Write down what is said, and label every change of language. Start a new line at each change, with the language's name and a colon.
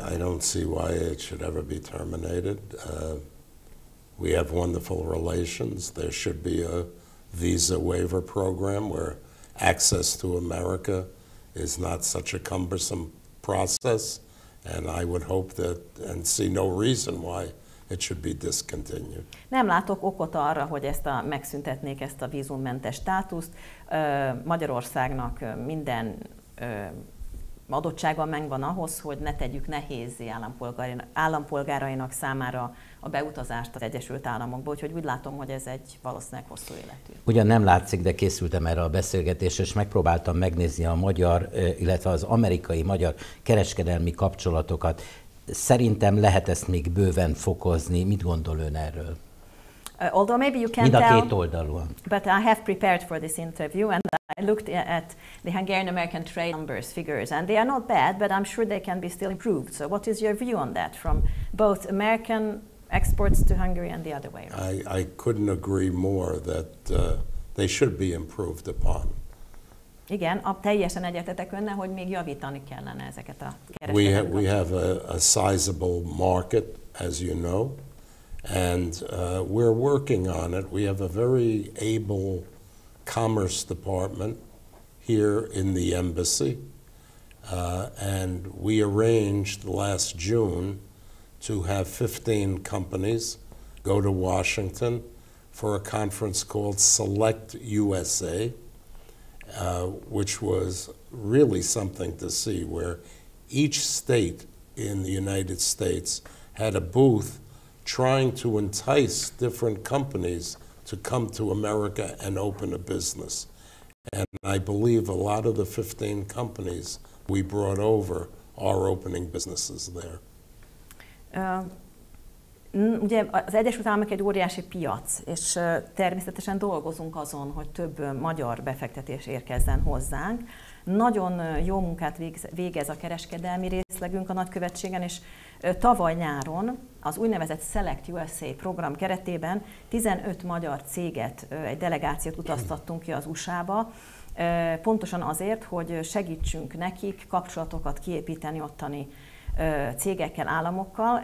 English: I don't see why it should ever be terminated. We have wonderful relations. There should be a visa waiver program where access to America is not such a cumbersome process. And I would hope that, and see no reason why it should be discontinued.
Hungarian: Nem látok okot arra, hogy ezt a megszüntetnék, ezt a vízummentes státuszt. Magyarországnak minden adottsága megvan ahhoz, hogy ne tegyük nehézzé állampolgárainak számára a beutazást az Egyesült Államokba, úgyhogy úgy látom, hogy ez egy valószínűleg hosszú életű. Ugyan nem látszik, de készültem erre a beszélgetésre, és megpróbáltam megnézni a magyar, illetve az amerikai-magyar kereskedelmi kapcsolatokat. Szerintem lehet ezt még bőven fokozni. Mit gondol ön erről?
English: Although maybe you can't tell, but I have prepared for this interview and I looked at the Hungarian-American trade numbers, figures, and they are not bad, but I'm sure they can be still improved. So what is your view on that from both American exports to Hungary and the other way? I couldn't agree more that they should be improved upon.
Hungarian: Igen, teljesen egyetetek önne, hogy még javítani kellene ezeket a kereskedelmi.
English: We have a sizable market, as you know. And we're working on it. We have a very able commerce department here in the embassy. And we arranged last June to have 15 companies go to Washington for a conference called Select USA, which was really something to see, where each state in the United States had a booth trying to entice different companies to come to America and open a business. And I believe a lot of the 15 companies we brought over are opening businesses there.
Hungarian: Ugye az Egyesült Államok egy óriási piac, és természetesen dolgozunk azon, hogy több magyar befektetés érkezzen hozzánk. Nagyon jó munkát végez a kereskedelmi részlegünk a nagykövetségen, és tavaly nyáron az úgynevezett Select USA program keretében 15 magyar céget, egy delegációt utaztattunk ki az USA-ba, pontosan azért, hogy segítsünk nekik kapcsolatokat kiépíteni ottani cégekkel, államokkal.